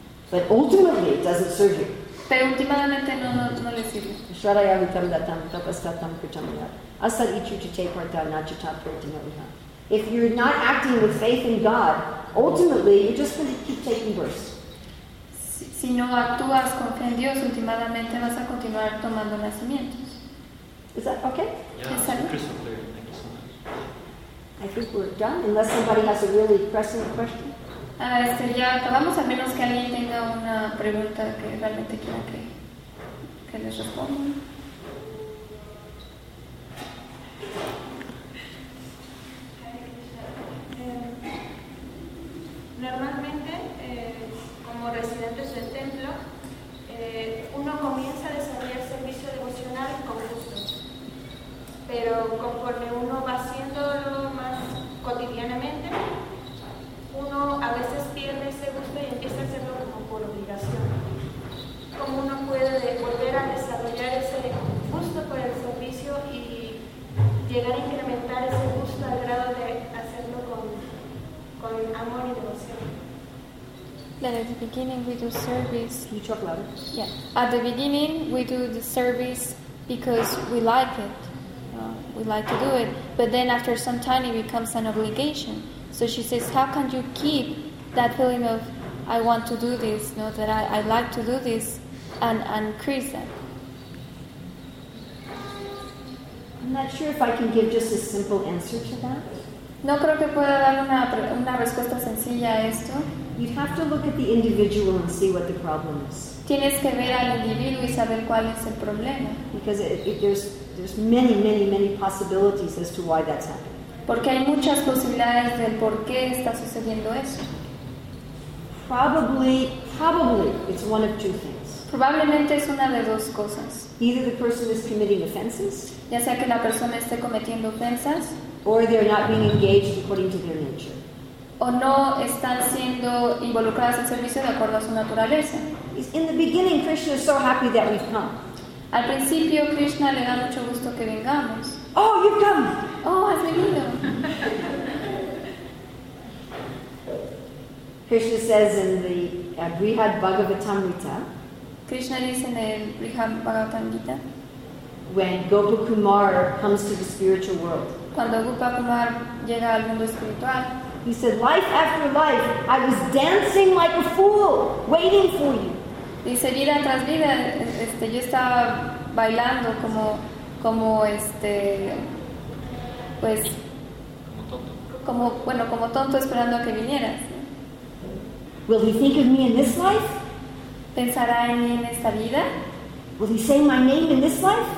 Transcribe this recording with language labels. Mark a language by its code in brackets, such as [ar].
[en] But ultimately, it doesn't serve you. [es] Pero últimamente no le sirve. [sa] Shraya vitam datam tapastatam kritamya. Asal ichu chichekarta nachita pratinavya. [en] If you're not acting with faith in God, ultimately, you're just going to keep taking births. [es] Si no actúas con fe en Dios, últimamente vas a continuar tomando nacimientos. [en] Is that okay? Yeah, crystal clear. Thank you so much. I think we're done, unless somebody has a really pressing question. [es] Ya acabamos, a menos que alguien tenga una pregunta que realmente quiera que les responda. Normalmente, como residentes del templo, uno comienza a desarrollar servicio devocional en conjunto. Pero conforme uno va haciéndolo más cotidianamente, uno a veces pierde ese gusto y empieza a hacerlo como por obligación. ¿Cómo uno puede volver a desarrollar ese gusto por el servicio y llegar a incrementar ese gusto al grado de hacerlo con amor y devoción? [en] Then at the beginning we do service. You talk louder. Yeah. At the beginning we do the service because we like it. We like to do it, but then after some time it becomes an obligation. So she says, how can you keep that feeling of I want to do this, you know, that I like to do this, and increase that? I'm not sure if I can give just a simple answer to that. [es] No creo que pueda dar una respuesta sencilla a esto. [en] You'd have to look at the individual and see what the problem is. [es] Tienes que ver al individuo y saber cuál es el problema. [en] Because there's many, many, many possibilities as to why that's happening. [es] Porque hay muchas posibilidades del por qué está sucediendo eso. [en] Probably it's one of two things. [es] Probablemente es una de dos cosas. [en] Either the person is committing offenses. [es] Ya sea que la persona esté cometiendo ofensas. [en] Or they're not being engaged according to their nature. [es] O no están siendo involucradas en servicio de acuerdo a su naturaleza. [en] In the beginning, Krishna is so happy that we've come. [es] Al principio, Krishna le da mucho gusto que vengamos. [en] Oh, you've come! [es] Oh, has venido. [en] Krishna says in the Brihad Bhagavatamrita. [es] Krishna dice en el Brihad Bhagavatamrita. [en] When Gopa Kumar comes to the spiritual world. [es] Cuando Gopa Kumar llega al mundo espiritual. [en] He said, life after life, I was dancing like a fool, waiting for you. [es] Dice, vida tras vida, yo estaba bailando como tonto esperando a que vinieras. [en] Will he think of me in this life? [es] ¿Pensará en mí en esta vida? [en] Will he say my name in this life?